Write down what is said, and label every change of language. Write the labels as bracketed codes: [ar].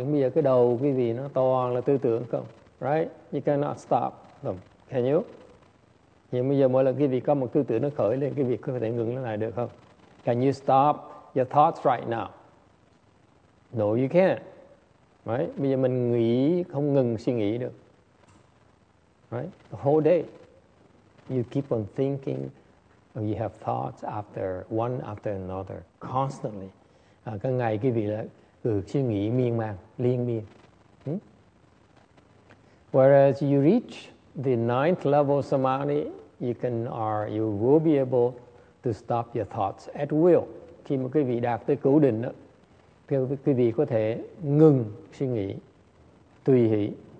[vi] Bây giờ cái đầu quý vị nó toàn là tư tưởng không? [en] Right? You cannot stop them. Can you? [vi] Nhưng bây giờ mỗi lần quý vị có một tư tưởng nó khởi lên, quý vị có thể ngừng nó lại được không? [en] Can you stop your thoughts right now? No, you can't. Right? [vi] Bây giờ mình nghĩ không ngừng suy nghĩ được. [en] Right? The whole day, you keep on thinking. You have thoughts after one after another constantly. [vi] Cái ngày quý vị là suy nghĩ miên man, liên miên. [en] Whereas you reach the ninth level samadhi, you will be able to stop your thoughts at will. [vi] Khi mà quý vị đạt tới cố định đó, thì quý vị có thể ngừng suy nghĩ, tùy hỷ.